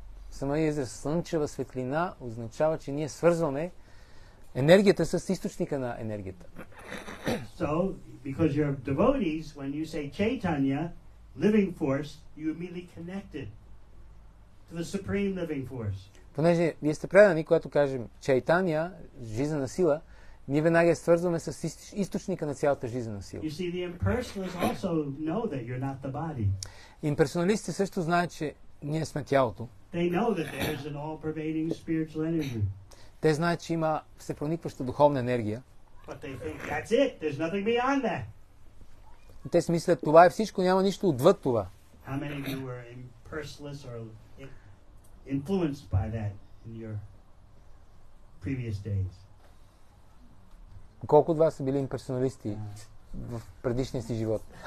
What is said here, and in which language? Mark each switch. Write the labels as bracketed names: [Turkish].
[Bulgarian] Самия израз слънчева светлина означава, че ние свързваме енергията с източника на енергията. [English] So, because you're devotees, when you say Chaitanya, living force, you immediately connect it to the supreme living force. [Bulgarian] Понеже вие сте предани, когато кажем Чайтанья, жизнена сила, ние веднага я свързваме с източника на цялата жизнена сила. [English] You see, the impersonalists also know that you're not the body. [Bulgarian] Имперсоналистите също знаят, че ние сме тялото. [English] They know that there is an all-pervading spiritual energy. [Bulgarian] Те знаят, че има всепроникваща духовна енергия. [English] But they think, that's it, there's nothing beyond that. [Bulgarian] Те си мислят, това е всичко, няма нищо отвъд това. [English] How many of you were impersonalists or influenced by that in your previous days? [Bulgarian] Колко от вас са били имперсоналисти в предишния си живот?